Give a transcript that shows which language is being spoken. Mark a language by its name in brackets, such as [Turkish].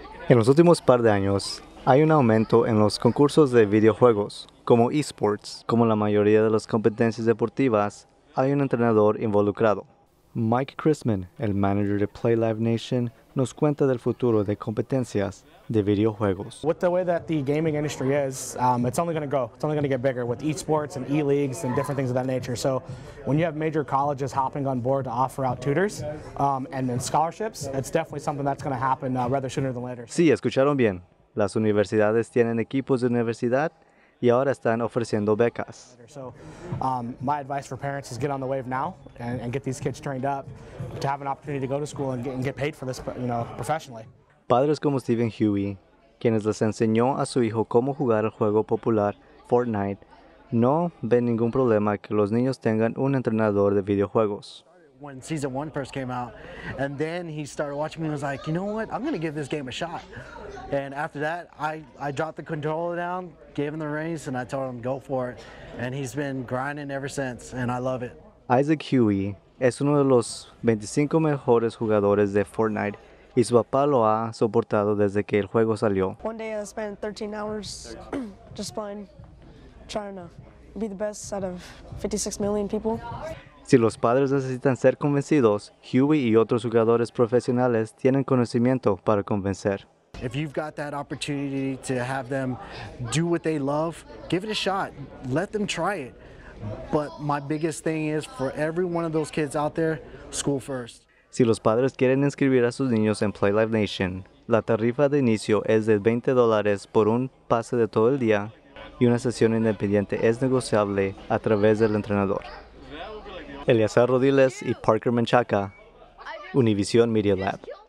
[Spanish] En los últimos par de años, hay un aumento en los concursos de videojuegos, como eSports. Como la mayoría de las competencias deportivas, hay un entrenador involucrado. Mike Chrisman, el manager de Play Live Nation, nos cuenta del futuro de competencias de videojuegos. [English] With the way that the gaming industry is, it's only going to grow. It's only going to get bigger with esports and e-leagues and different things of that nature. So when you have major colleges hopping on board to offer out tutors and then scholarships, it's definitely something that's going to happen rather sooner than later. [Spanish] Sí, escucharon bien. Las universidades tienen equipos de universidad y ahora están ofreciendo becas. [English] So, my advice for parents is get on the wave now and get these kids trained up to have an opportunity to go to school and get paid for this, you know, professionally. [Spanish] Padres como Stephen Huey, quienes les enseñó a su hijo cómo jugar el juego popular Fortnite, no ven ningún problema que los niños tengan un entrenador de videojuegos. [English] When season one first came out, and then he started watching me and was like, you know what, I'm going to give this game a shot. And after that, I dropped the controller down, gave him the reins, and I told him, go for it. And he's been grinding ever since, and I love it. [Spanish] Isaac Huey es uno de los 25 mejores jugadores de Fortnite, y su papá lo ha soportado desde que el juego salió. [English] One day I spent 13 hours just playing, trying to be the best out of 56 million people. [Spanish] Si los padres necesitan ser convencidos, Huey y otros jugadores profesionales tienen conocimiento para convencer. [English] If you've got that opportunity to have them do what they love, give it a shot. Let them try it. But my biggest thing is for every one of those kids out there, school first. [Spanish] Si los padres quieren inscribir a sus niños en Play Live Nation, la tarifa de inicio es de $20 por un pase de todo el día y una sesión independiente es negociable a través del entrenador. Eliazar Rodiles y Parker Menchaca, Univision Media Lab.